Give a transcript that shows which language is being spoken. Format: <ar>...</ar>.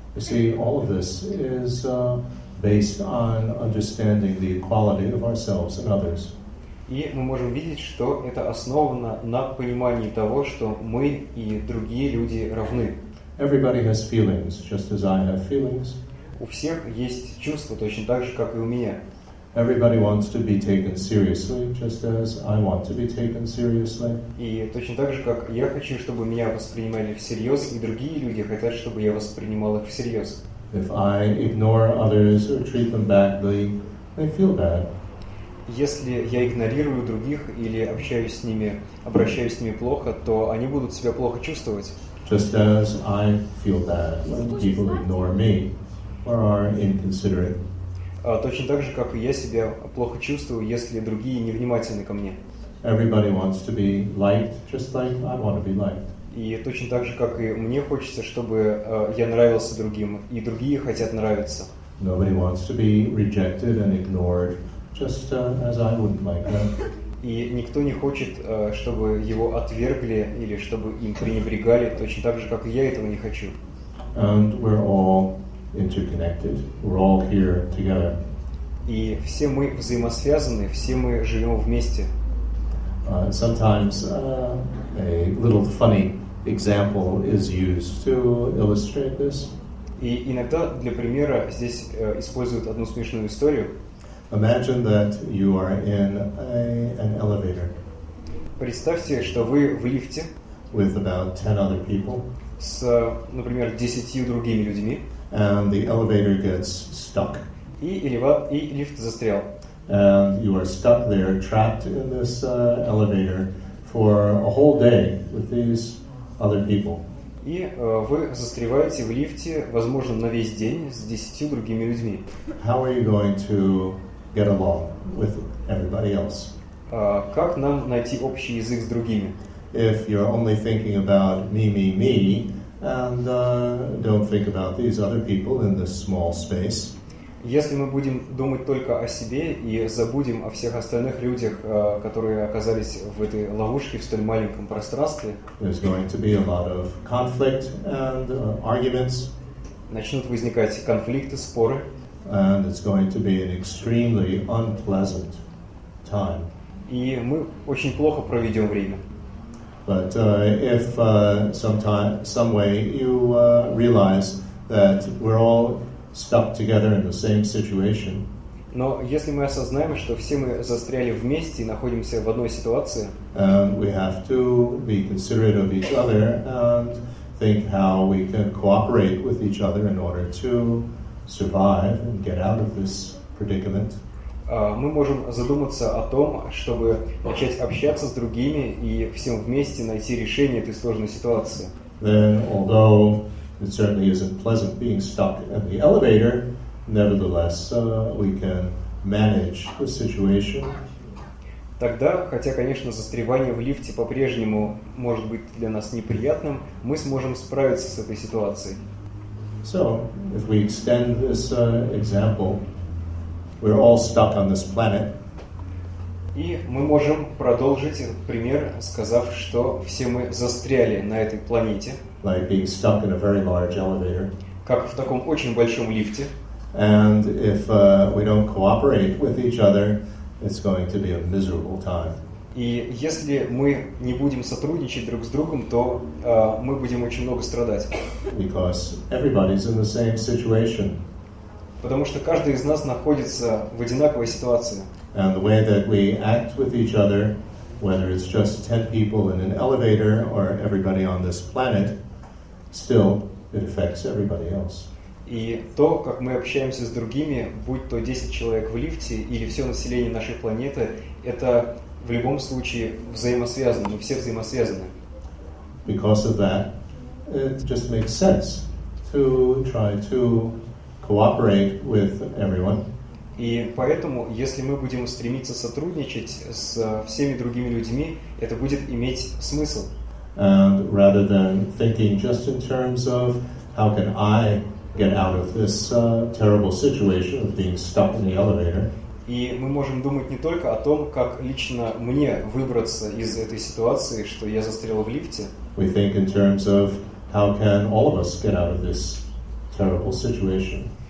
<en>You see, all of this is based on understanding the equality of ourselves and others.</en> <ru>И мы можем видеть, что это основано на понимании того, что мы и другие люди равны.</ru> <en>Everybody has feelings, just as I have feelings.</en> <ru>У всех есть чувства, точно так же, как и у меня.</ru> <en>Everybody wants to be taken seriously, just as I want to be taken seriously.</en> <ru>И точно так же, как я хочу, чтобы меня воспринимали всерьез, и другие люди хотят, чтобы я воспринимал их всерьез.</ru> <en>If I ignore others or treat them badly, they feel bad.</en> <ru>Если я игнорирую других или общаюсь с ними, обращаюсь с ними плохо, то они будут себя плохо чувствовать.</ru> <en>Just as I feel bad when people ignore me or are inconsiderate.</en> <ru>Точно так же, как и я себя плохо чувствую, если другие невнимательны ко мне.</ru> <en>Everybody wants to be liked, just like I want to be liked.</en> <ru>И точно так же, как и мне хочется, чтобы я нравился другим, и другие хотят нравиться.</ru> <en>Nobody wants to be rejected and ignored. Just as I wouldn't like them.</en> <ru>И никто не хочет, чтобы его отвергли или чтобы им пренебрегали, точно так же, как и я этого не хочу.</ru> <en>And we're all interconnected. We're all here together.</en> <ru>И все мы взаимосвязаны, все мы живем вместе.</ru> <en>Sometimes a little funny example is used to illustrate this.</en> <ru>И иногда для примера здесь используют одну смешную историю.</ru> <en>Imagine that you are in an elevator.</en> <ru>Представьте, что вы в лифте.</ru> <en>With about 10 other people.</en> <ru>С, например, 10 другими людьми.</ru> <en>And the elevator gets stuck.</en> <ru>И лифт застрял.</ru> <en>And you are stuck there, trapped in this elevator for a whole day with these other people.</en> <ru>И вы застреваете в лифте, возможно, на весь день с 10 другими людьми.</ru> <en>How are you going to get along with everybody else?</en> <ru>Как нам найти общий язык с другими?</ru> <en>If you're only thinking about me, me, me, and don't think about these other people in this small space.</en> <ru>Если мы будем думать только о себе и забудем о всех остальных людях, которые оказались в этой ловушке в столь маленьком пространстве,</ru> <en>there's going to be a lot of conflict and arguments.</en> <ru>Начнут возникать конфликты, споры.</ru> <en>And it's going to be an extremely unpleasant time.</en> <ru>И мы очень плохо проведем время.</ru> <en>But if some way you realize that we're all stuck together in the same situation.</en> <ru>Но если мы осознаем, что все мы застряли вместе и находимся в одной ситуации.</ru> <en>And we have to be considerate of each other and think how we can cooperate with each other in order to survive and get out of this predicament.</en> <ru>Мы можем задуматься о том, чтобы начать общаться с другими и всем вместе найти решение этой сложной ситуации.</ru> <en>Then, although it certainly isn't pleasant being stuck in the elevator, nevertheless, we can manage the situation.</en> <ru>Тогда, хотя, конечно, застревание в лифте по-прежнему может быть для нас неприятным, мы сможем справиться с этой ситуацией.</ru> <en>So, if we extend this example, we're all stuck on this planet.</en> <ru>И мы можем продолжить этот пример, сказав, что все мы застряли на этой планете.</ru> <en>Like being stuck in a very large elevator.</en> <ru>Как в таком очень большом лифте.</ru> <en>And if we don't cooperate with each other, it's going to be a miserable time.</en> <ru>И если мы не будем сотрудничать друг с другом, то мы будем очень много страдать.</ru> <en>Because everybody's in the same situation.</en> <ru>Потому что каждый из нас находится в одинаковой ситуации.</ru> <en>And the way that we act with each other whether it's just 10 people in an elevator or everybody on this planet, still it affects everybody else.</en> <ru>И то, как мы общаемся с другими, будь то 10 человек в лифте или все население нашей планеты, это в любом случае взаимосвязано, мы все взаимосвязаны.</ru> <en>Because of that, it just makes sense to try to cooperate with everyone.</en> <ru>И поэтому, если мы будем стремиться сотрудничать с всеми другими людьми, это будет иметь смысл.</ru> <en>And rather than thinking just in terms of how can I get out of this terrible situation of being stuck in the elevator.</en> <ru>И мы можем думать не только о том, как лично мне выбраться из этой ситуации, что я застрял в лифте.</ru> <en>We think in terms of how can all of us get out of this terrible situation.</en>